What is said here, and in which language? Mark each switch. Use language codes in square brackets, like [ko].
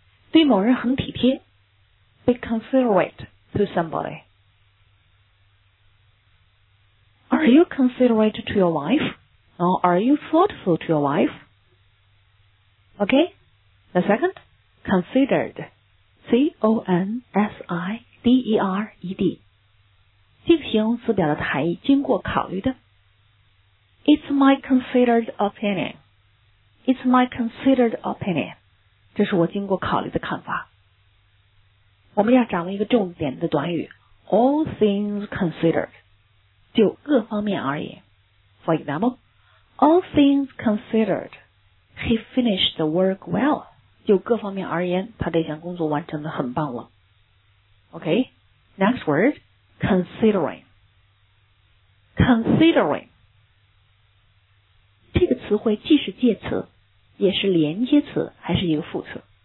[zh] 对某人很体贴 [en] be considerate to somebody. Are you considerate to your wife? Or are you thoughtful to your wife? Okay, the second, considered. C-O-N-S-I-D-E-R-E-D. [zh] 这个形容词表达的含义经过考虑的。 [en] It's my considered opinion. It's my considered opinion. [zh] 这是我经过考虑的看法。我们要掌握一个重点的短语 [en] All things considered [zh] 就各方面而言 For example [en] All things considered He finished the work well [zh] 就各方面而言他这项工作完成得很棒了 [en] OK Next word Considering Considering [zh] 这个词汇既是介词也是连接词还是一个副词